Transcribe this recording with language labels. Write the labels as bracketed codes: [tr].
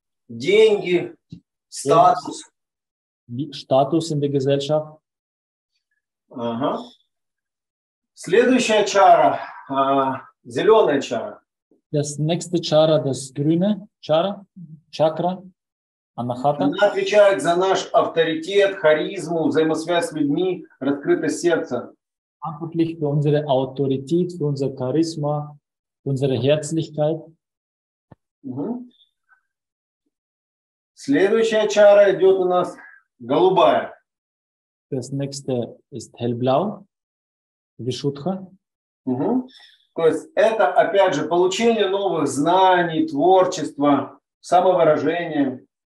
[ru] Деньги, Status. [de] Status in der Gesellschaft. [ru] Ага. Следующая чара, зеленая чара. [de] Das nächste чара, das grüne чара, чакра. Anahata. [ru] Она отвечает за наш авторитет, харизму, взаимосвязь с людьми, раскрытое сердце. [de] Verantwortlich für unsere Autorität, für unser Charisma, unsere Herzlichkeit. Uh-huh. [ru] Следующая чара идет у нас голубая. [de] Das nächste ist hellblau. [ru] Вишудха. Uh-huh. То есть это, опять же, получение новых знаний, творчества, самовыражения.